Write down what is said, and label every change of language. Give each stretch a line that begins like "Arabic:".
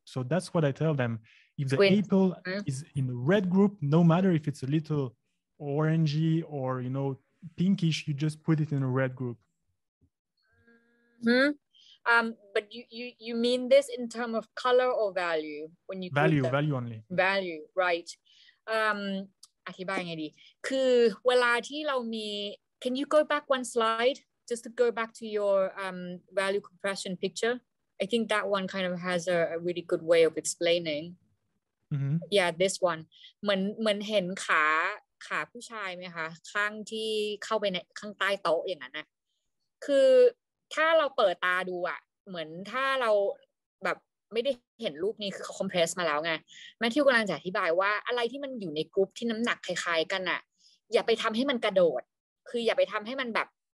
English: So that's what I tell them. If the apple is in the red group, no matter if it's a little orangey or, you know, pinkish, you just put it in a red group. But you mean this in terms of color or value? When you value only. Value, right.
Thai: อธิบายไงดีคือเวลาที่เรามี
English: Can you go back one slide? Just to go back to your value compression picture. I think that one kind of has a really good way of explaining. Yeah, this one.
Thai: เหมือนเห็นขาผู้ชายไหมคะข้างที่เข้าไปในข้างใต้โต๊ะอย่างนั้นนะคือถ้าเราเปิดตาดูอะเหมือนถ้าเราแบบไม่ได้เห็นรูปนี้คือเขาคอมเพรสมาแล้วไงแม่ที่กำลังจะอธิบายว่าอะไรที่มันอยู่ในกรุ๊ปที่น้ำหนักคล้ายๆกันอะอย่าไปทำให้มันกระโดดคืออย่าไปทำให้มันแบบ